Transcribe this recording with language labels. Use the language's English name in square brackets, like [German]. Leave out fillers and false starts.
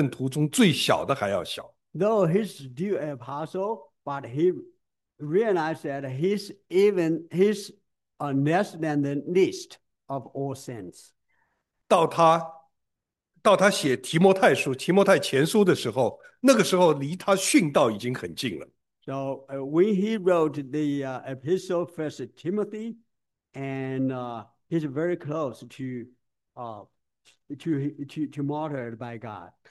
[Chinese] 这个时候，他依然是使徒，但是他也同样同时，他看到说他自己比众圣徒中最小的还要小。 [English] Though he's still an apostle, but he realized that he's less than the least of all saints. [Chinese] 到他写提摩太书、提摩太前书的时候，那个时候离他殉道已经很近了。 [English] So when he wrote the epistle First Timothy, and he's very close to martyred by God,